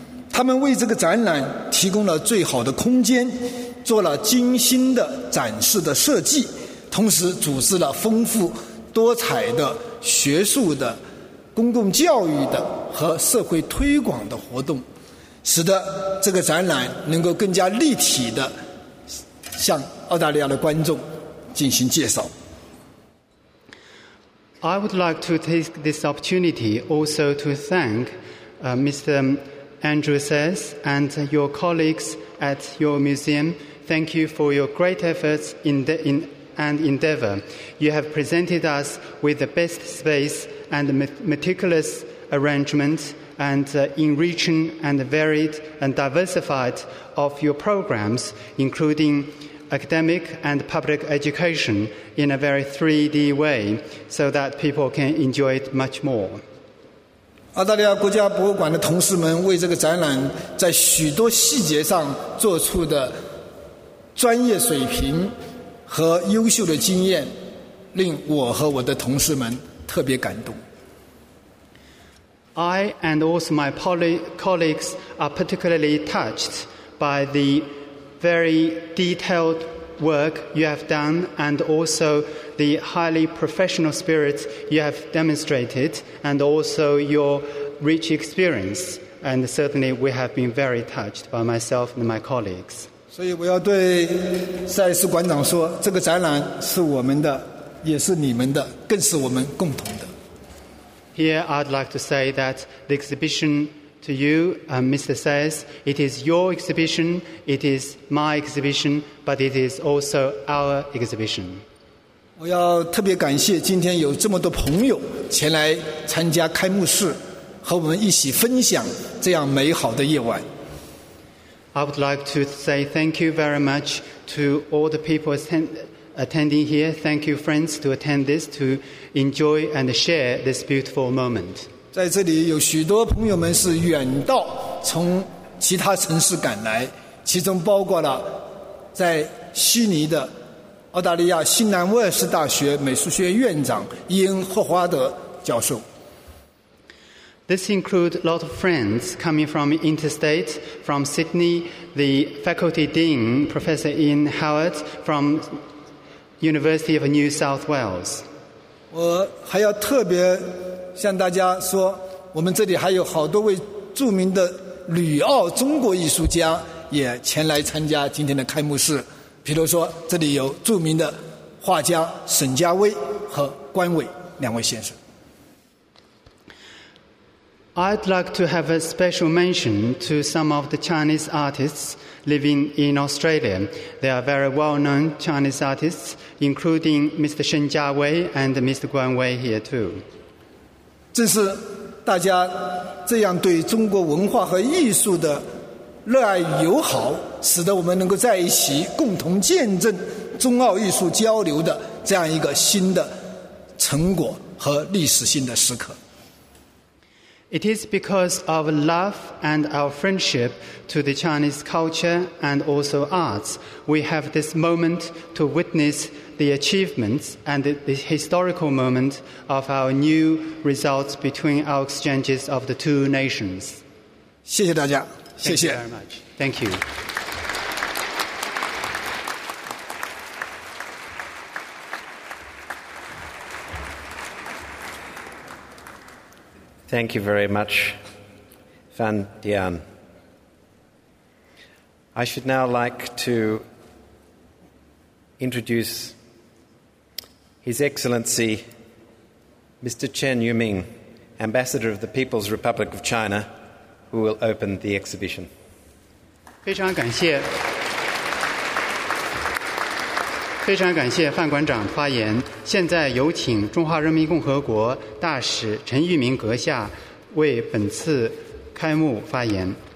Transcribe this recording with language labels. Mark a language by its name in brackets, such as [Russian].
[Chinese] 他们为这个展览提供了最好的空间，做了精心的展示的设计，同时组织了丰富多彩的学术的、公共教育的和社会推广的活动，使得这个展览能够更加立体的向澳大利亚的观众进行介绍。 [English] I would like to take this opportunity also to thank Mr. Andrew Sess and your colleagues at your museum. Thank you for your great efforts and endeavor. You have presented us with the best space and meticulous arrangement and enriching and varied and diversified of your programs, including academic and public education in a very 3D way so that people can enjoy it much more. [Chinese] 澳大利亚国家博物馆的同事们为这个展览在许多细节上做出的专业水平和优秀的经验，令我和我的同事们特别感动。 [English] I and also my colleagues are particularly touched by the very detailed work you have done and also the highly professional spirit you have demonstrated and also your rich experience. And certainly we have been very touched by myself and my colleagues. [Chinese] 所以我要对赛斯馆长说，这个展览是我们的，也是你们的，更是我们共同的。 [English] Here I'd like to say that the exhibition to you, Mr. Says, it is your exhibition, it is my exhibition, but it is also our exhibition. [Chinese] 我要特别感谢今天有这么多朋友前来参加开幕式，和我们一起分享这样美好的夜晚。 [English] I would like to say thank you very much to all the people attending here. Thank you, friends, to attend this, to enjoy and share this beautiful moment. [Chinese] 在这里有许多朋友们是远道从其他城市赶来，其中包括了在悉尼的澳大利亚新南威尔士大学美术学院院长伊恩·霍华德教授。 [English] This includes a lot of friends coming from interstate, from Sydney, the faculty dean, Professor Ian Howard, from University of New South Wales. [Chinese] 我还要特别向大家说，我们这里还有好多位著名的旅澳中国艺术家也前来参加今天的开幕式。比如说，这里有著名的画家沈家威和关伟两位先生。 [English] I'd like to have a special mention to some of the Chinese artists living in Australia. They are very well-known Chinese artists, including Mr. Shen Jiawei and Mr. Guan Wei here too. [Chinese] 正是大家这样对中国文化和艺术的热爱与友好，使得我们能够在一起共同见证中澳艺术交流的这样一个新的成果和历史性的时刻。 [English] It is because of love and our friendship to the Chinese culture and also arts, we have this moment to witness the achievements and the historical moment of our new results between our exchanges of the two nations. 谢谢大家，谢谢。 Thank you very much. Thank you. Thank you very much, Fan Dian. I should now like to introduce His Excellency Mr. Chen Yuming, Ambassador of the People's Republic of China, who will open the exhibition. [Chinese] 非常感谢，非常感谢范馆长发言。现在有请中华人民共和国大使陈玉明阁下为本次开幕发言。